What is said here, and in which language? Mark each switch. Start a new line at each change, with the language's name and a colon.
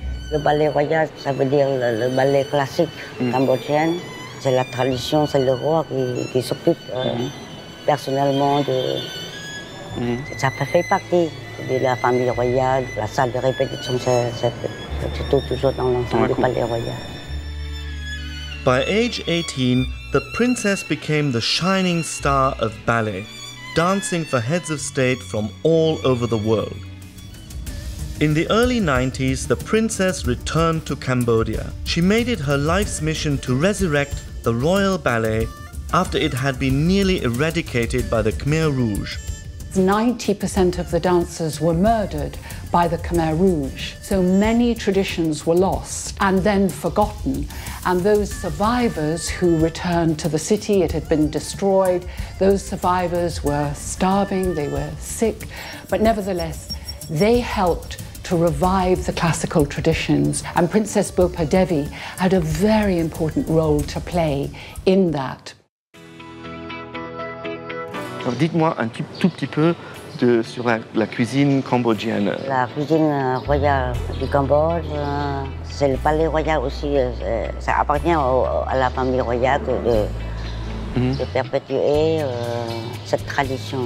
French: Le ballet royal, ça veut dire le ballet classique cambodgien. C'est la tradition, c'est le roi qui s'occupe personnellement de... Ça fait partie de la famille royale, la salle de répétition, c'est tout, toujours dans l'ensemble du ballet royal.
English: By age 18, the princess became the shining star of ballet, dancing for heads of state from all over the world. In the early 90s, the princess returned to Cambodia. She made it her life's mission to resurrect the royal ballet after it had been nearly eradicated by the Khmer Rouge. 90% of the dancers were murdered by the Khmer Rouge. So many traditions were lost and then forgotten. And those survivors who returned to the city, it had been destroyed. Those survivors were starving, they were sick. But nevertheless, they helped to revive the classical traditions. And Princess Bopa Devi had a very important role to play in that.
French: Alors dites-moi un tout petit peu de, sur la cuisine cambodgienne. La cuisine royale du Cambodge, c'est le palais royal aussi. Ça appartient à la famille royale de perpétuer cette tradition.